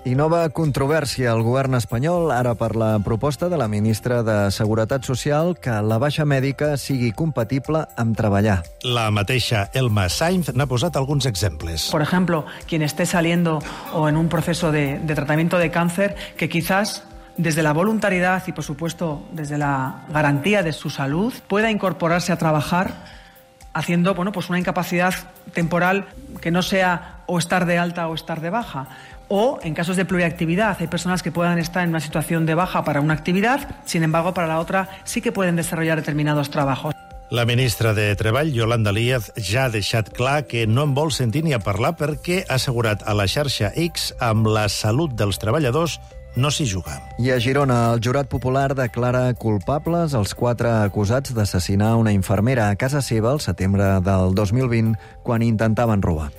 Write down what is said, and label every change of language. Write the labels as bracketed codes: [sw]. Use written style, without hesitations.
[ca] I nova controvèrsia al govern espanyol, ara per la proposta de la ministra de Seguretat Social que la baixa mèdica sigui compatible amb treballar. La mateixa Elma Sainz n'ha posat alguns exemples. [es] Por ejemplo, quien esté saliendo o en un proceso de tratamiento de cáncer, que quizás desde la voluntariedad y, por supuesto, desde la garantía de su salud, pueda incorporarse a trabajar haciendo, bueno, pues una incapacidad temporal que no sea o estar de alta o estar de baja. O, en casos de pluriactividad, hay personas que puedan estar en una situación de baja para una actividad, sin embargo, para la otra sí que pueden desarrollar determinados trabajos. [ca] La ministra de Treball, Yolanda Díaz, ja ha deixat clar que no en vol sentir ni a parlar perquè ha assegurat a la xarxa X amb la salut dels treballadors no s'hi juga. I a Girona, el jurat popular declara culpables els quatre acusats d'assassinar una infermera a casa seva el setembre del 2020, quan intentaven robar.